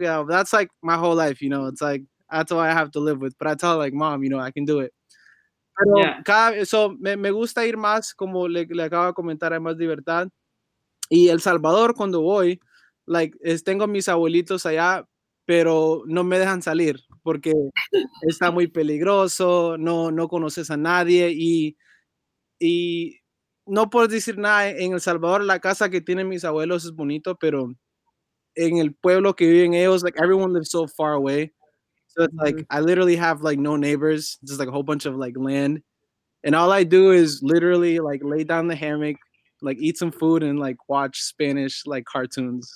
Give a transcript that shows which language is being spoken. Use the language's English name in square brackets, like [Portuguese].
[English] That's like my whole life, you know, it's like, that's what I have to live with. But I tell like, mom, you know, I can do it. [Spanish] Pero me gusta ir más, como le acabo de comentar, hay más libertad. Y El Salvador, cuando voy, like, tengo mis abuelitos allá, pero no me dejan salir porque está muy peligroso, no conoces a nadie y no puedes decir nada. En El Salvador, la casa que tienen mis abuelos es bonito, pero en el pueblo que viven ellos, like, [English] everyone lives so far away. So it's like, I literally have like no neighbors, just like a whole bunch of like land. And all I do is literally like lay down the hammock, like eat some food and like watch Spanish like cartoons.